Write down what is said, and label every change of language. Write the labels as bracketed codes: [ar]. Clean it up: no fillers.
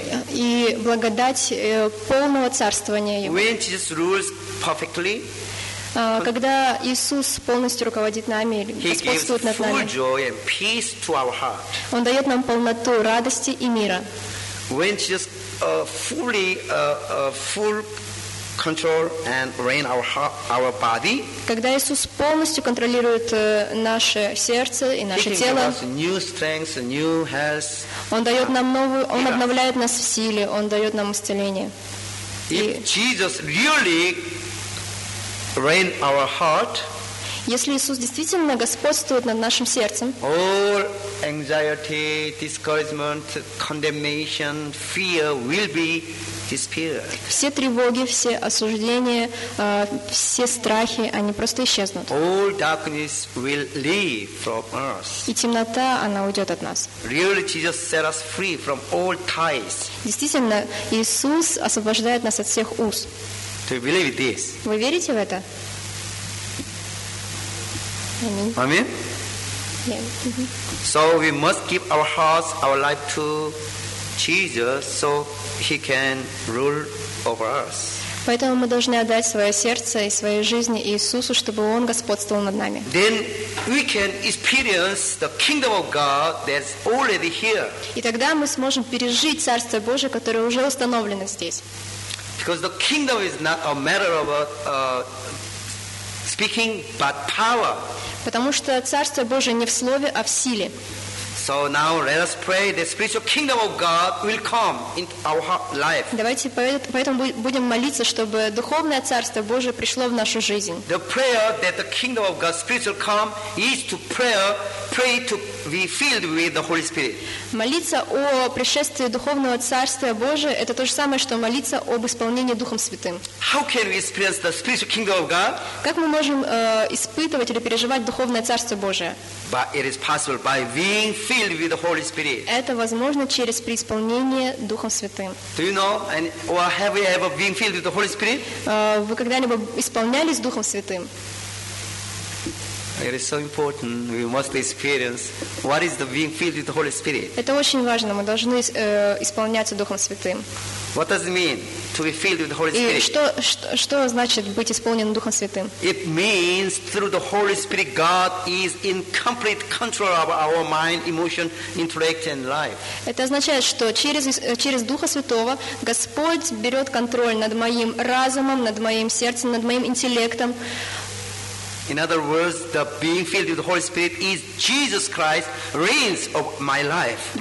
[ru] И благодать полного царствования Его. [en] When Jesus rules perfectly, [ru] когда Иисус полностью руководит нами, господствует над нами, [en] full joy and peace to our heart. [ru] Он дает нам полноту радости и мира. [en] When Jesus full control and reign our heart, our body. [ru] Когда Иисус полностью контролирует наше сердце и наше тело. [en] New strength, new health. [ru] Он дает нам новую, Он обновляет нас в силе, Он дает нам исцеление. [en] If Jesus really reign our heart. [ru] Если Иисус действительно господствует над нашим сердцем, [en] all anxiety, discouragement, condemnation, fear will be disappeared. [ru] Все тревоги, все осуждения, все страхи, они просто исчезнут. [en] All darkness will leave from us. [ru] И темнота, она уйдет от нас. [en] Really, Jesus set us free from all ties. [ru] Действительно, Иисус освобождает нас от всех уз. [en] Do you believe this? [ru] Вы верите в это? [en] Amen. So we must give our hearts, our life to Jesus, so He can rule over us. [ru] Поэтому мы должны отдать свое сердце и свою жизнь Иисусу, чтобы Он господствовал над нами. [en] Then we can experience the kingdom of God that's already here. [ru] И тогда мы сможем пережить Царство Божие, которое уже установлено здесь. [en] Because the kingdom is not a matter of speaking, but power. [ru] Потому что Царство Божие не в слове, а в силе. [en] So now let us pray the spiritual kingdom of God will come in our life. [ru] Давайте поэтому будем молиться, чтобы духовное Царство Божие пришло в нашу жизнь. [en] The prayer that the kingdom of God spiritual come is to pray to be filled with the Holy Spirit. [ru] Молиться о пришествии духовного Царства Божия — это то же самое, что молиться об исполнении Духом Святым. [en] How can we experience the spiritual kingdom of God? [ru] Как мы можем испытывать или переживать духовное Царство Божие? [en] But it is possible by being filled with the Holy Spirit. [ru] Это возможно через преисполнение Духом Святым. [en] Do you know and or have you ever been filled with the Holy Spirit? [ru] Вы когда-либо исполнялись Духом Святым? [en] It is so important. We must experience what is the being filled with the Holy Spirit. [ru] Это очень важно. Мы должны исполняться Духом Святым. [en] What does it mean to be filled with the Holy Spirit? [ru] И что значит быть исполненным Духом Святым? [en] It means through the Holy Spirit, God is in complete control of our mind, emotion, intellect, and life. [ru] Это означает, что через Духа Святого Господь берет контроль над моим разумом, над моим сердцем, над моим интеллектом. [en] In other words, the being filled with the Holy Spirit is Jesus Christ reigns of my life.